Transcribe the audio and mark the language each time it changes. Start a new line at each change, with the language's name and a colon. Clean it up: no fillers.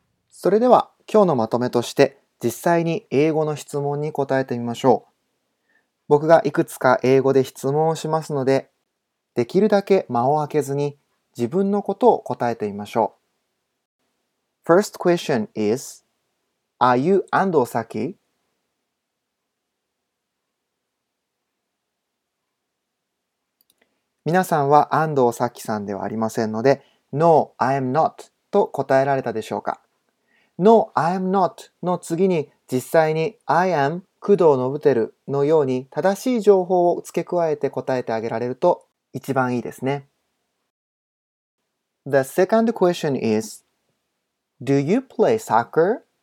Japanese: それでは、今日のまとめとして、実際に英語の質問に答えてみましょう。僕がいくつか英語で質問をしますので、できるだけ間を空けずに、自分のことを答えてみましょう。
English: First question is, Are you 安藤咲希？
Japanese: 皆さんは安藤咲希さんではありませんので、
English: No, I am not
Japanese: と答えられたでしょうか。
English: No, I am not
Japanese: の次に実際に
English: I am
Japanese: 工藤信輝のように正しい情報を付け加えて答えてあげられると一番いいですね。
English: The second question is, Do you play soccer?